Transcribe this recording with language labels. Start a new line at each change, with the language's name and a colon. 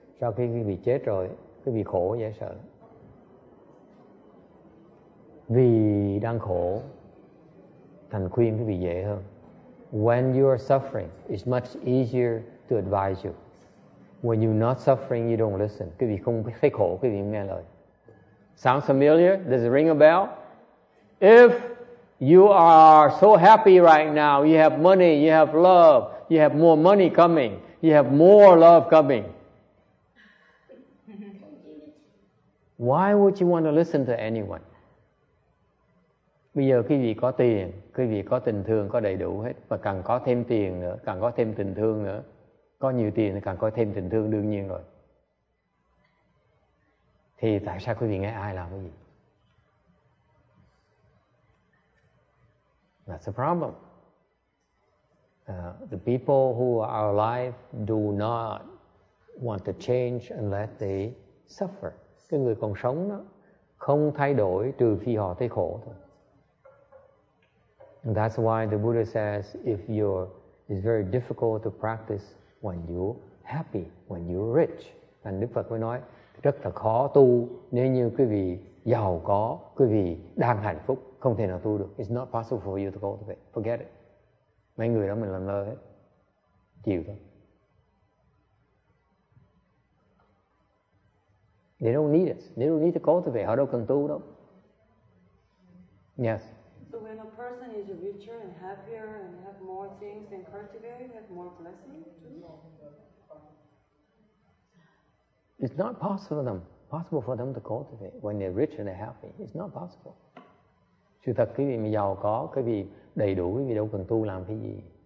Vietnamese: Sau khi quý vị chết rồi, quý vị khổ dễ sợ. Vì đang khổ, thành khuyên quý vị dễ hơn.
English: When you are suffering, it's much easier to advise you. When you're not suffering, you don't listen.
Vietnamese: Quý vị không thấy khổ, quý vị nghe lời.
English: Sounds familiar? Does it ring a bell? If you are so happy right now, you have money, you have love, you have more money coming, you have more love coming, why would you want to listen to anyone?
Vietnamese: Bây giờ quý vị có tiền, quý vị có tình thương, có đầy đủ hết, và càng có thêm tiền nữa, càng có thêm tình thương nữa. Có nhiều tiền thì càng có thêm tình thương đương nhiên rồi. Thì tại sao quý vị nghe ai làm cái gì?
English: That's the problem. The people who are alive do not want to change unless they suffer.
Vietnamese: Cái người còn sống đó không thay đổi trừ khi họ thấy khổ thôi.
English: And that's why the Buddha says if you're, it's very difficult to practice when you're happy, when you're rich.
Vietnamese: And Đức Phật mới nói rất là khó tu nếu như quý vị giàu có, quý vị đang hạnh phúc, không thể nào tu được.
English: It's not possible for you to go to it. Forget it.
Vietnamese: Mấy người đó mình làm lơ hết. Chịu thôi.
English: They don't need us. They don't need to cultivate.
Vietnamese: Họ đâu cần tu đâu.
English: Yes. So when a person is richer and happier and have more things and cultivate, have more blessings? It's not possible for them to cultivate when they're rich and they're happy. It's not possible.
Vietnamese: Sự thật quý vị mà giàu có, quý vị đầy đủ, quý vị đâu cần tu làm cái gì.